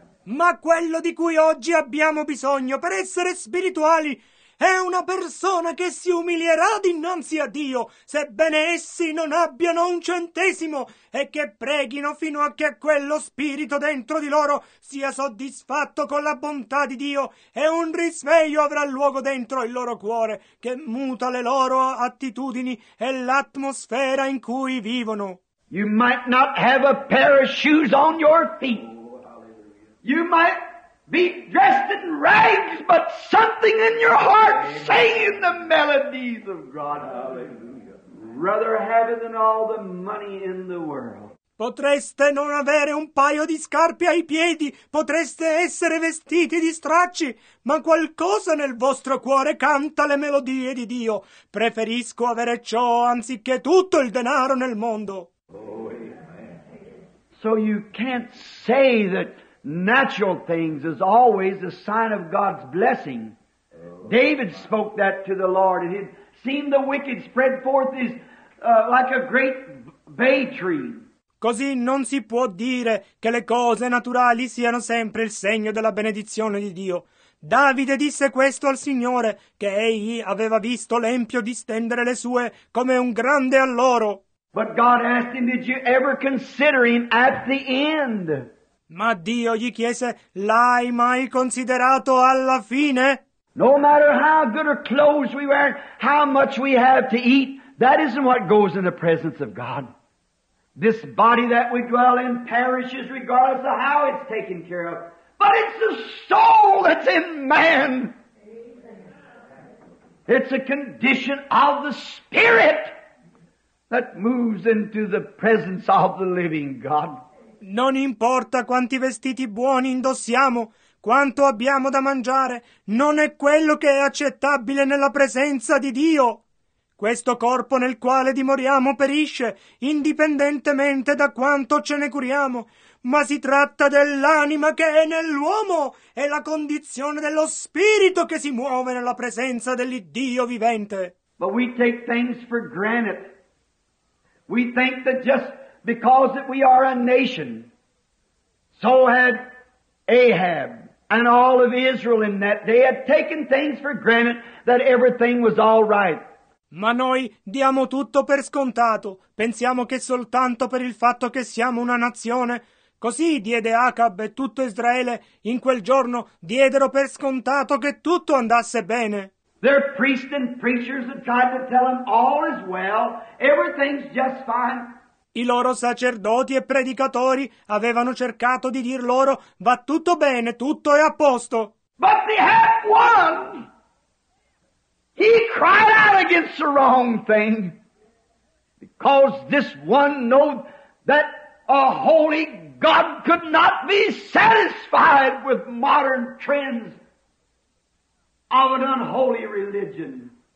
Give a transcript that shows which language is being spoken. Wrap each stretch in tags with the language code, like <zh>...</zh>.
<it>Ma quello di cui oggi abbiamo bisogno per essere spirituali è una persona che si umilierà dinanzi a Dio, sebbene essi non abbiano un centesimo, e che preghino fino a che quello spirito dentro di loro sia soddisfatto con la bontà di Dio, e un risveglio avrà luogo dentro il loro cuore, che muta le loro attitudini e l'atmosfera in cui vivono.</it> <en>You might not have a pair of shoes on your feet. You might be dressed in rags, but something in your heart saying the melodies of God. Hallelujah. Rather have it than all the money in the world.</en> <it>Potreste non avere un paio di scarpe ai piedi, potreste essere vestiti di stracci, ma qualcosa nel vostro cuore canta le melodie di Dio. Preferisco avere ciò anziché tutto il denaro nel mondo.</it> <en>Oh, amen. So you can't say that natural things is always a sign of God's blessing. David spoke that to the Lord, and he'd seen the wicked spread forth his like a great bay tree.</en> <it>Così non si può dire che le cose naturali siano sempre il segno della benedizione di Dio. Davide disse questo al Signore, che egli aveva visto l'empio distendere le sue come un grande alloro.</it> <en>But God asked him, did you ever consider him at the end?</en> <it>Ma Dio gli chiese, l'hai mai considerato alla fine?</it> <en>No matter how good our clothes we wear, how much we have to eat, that isn't what goes in the presence of God. This body that we dwell in perishes regardless of how it's taken care of. But it's the soul that's in man. It's a condition of the spirit that moves into the presence of the living God.</en> <it>Non importa quanti vestiti buoni indossiamo, quanto abbiamo da mangiare, non è quello che è accettabile nella presenza di Dio. Questo corpo nel quale dimoriamo perisce, indipendentemente da quanto ce ne curiamo, ma si tratta dell'anima che è nell'uomo, e la condizione dello spirito che si muove nella presenza dell'Iddio vivente.</it> <en>But we take things for granted. We think that just because that we are a nation, so had Ahab and all of Israel in that day had taken things for granted that everything was all right.</en> <it>Ma noi diamo tutto per scontato. Pensiamo che soltanto per il fatto che siamo una nazione, così diede Acab e tutto Israele in quel giorno diedero per scontato che tutto andasse bene.</it> <en>Their priests and preachers had tried to tell them all is well, everything's just fine.</en> <it>I loro sacerdoti e predicatori avevano cercato di dir loro va tutto bene, tutto è a posto.</it> <en>But they had one. He cried out against the wrong thing, because this one knew that a holy God could not be satisfied with modern trends of an unholy religion.</en>